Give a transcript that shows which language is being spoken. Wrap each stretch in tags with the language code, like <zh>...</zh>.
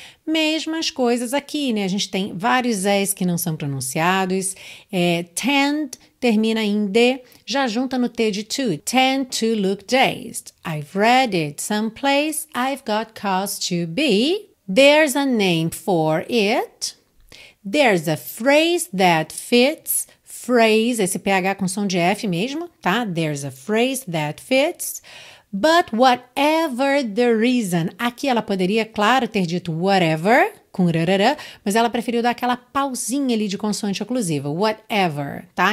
<pt>Mesmas coisas aqui, né? A gente tem vários E's que não são pronunciados. É, tend termina em D, já junta no T de to.</pt> <en>Tend to look dazed, I've read it someplace, I've got cause to be. There's a name for it. There's a phrase that fits, phrase,</en> <pt>esse PH com som de F mesmo, tá?</pt> <en>There's a phrase that fits, but whatever the reason,</en> <pt>aqui ela poderia, claro, ter dito whatever, com rarara, mas ela preferiu dar aquela pausinha ali de consoante oclusiva, whatever, tá?</pt>